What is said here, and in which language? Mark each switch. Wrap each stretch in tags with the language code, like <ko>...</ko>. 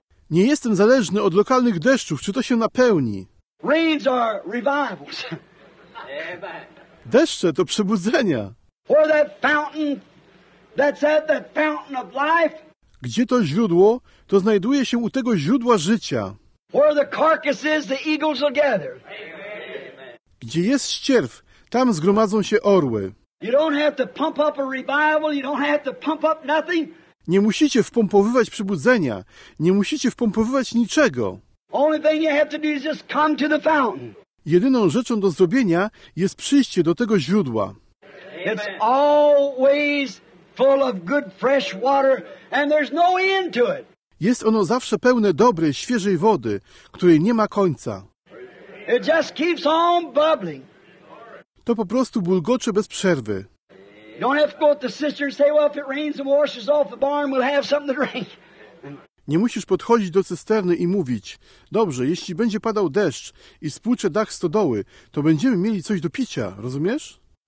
<pl>Nie jestem zależny od lokalnych deszczów, czy to się napełni.</pl> <en>Rains are revivals.</en> <pl>Deszcze to przebudzenia.</pl> <en>Where that fountain, that's at the fountain of life.</en> <pl>Gdzie to źródło, to znajduje się u tego źródła życia.</pl> <en>Where the carcass is, the eagles will gather.</en> <pl>Gdzie jest ścierw, tam zgromadzą się orły.</pl> <en>You don't have to pump up a revival, you don't have to pump up nothing.</en> <pl>Nie musicie wpompowywać przebudzenia, nie musicie wpompowywać niczego.</pl> <en>Only thing you have to do is just come to the fountain.</en> <pl>Jedyną rzeczą do zrobienia jest przyjście do tego źródła.</pl> <en>It's always full of good fresh water and there's no end to it.</en> <pl>Jest ono zawsze pełne dobrej, świeżej wody, której nie ma końca.</pl> <en>It just keeps on bubbling.</en> <pl>To po prostu bulgocze bez przerwy.</pl> <en>Don't have to go to the cistern and say, well, if it rains and washes off the barn, we'll have something to drink.</en> <pl>Nie musisz podchodzić do cysterny i mówić, dobrze, jeśli będzie padał deszcz i spłucze dach stodoły, to będziemy mieli coś do picia, rozumiesz?</pl>